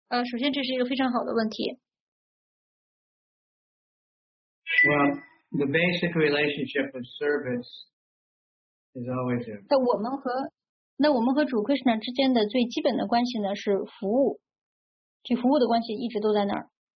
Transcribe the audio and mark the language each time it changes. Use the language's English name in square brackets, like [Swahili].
[Chinese] 首先这是一个非常好的问题。 [English] Well, the basic relationship of service is always there. [Chinese] 那我们和主 Krishna 之间的最基本的关系呢是服务，这服务的关系一直都在那儿。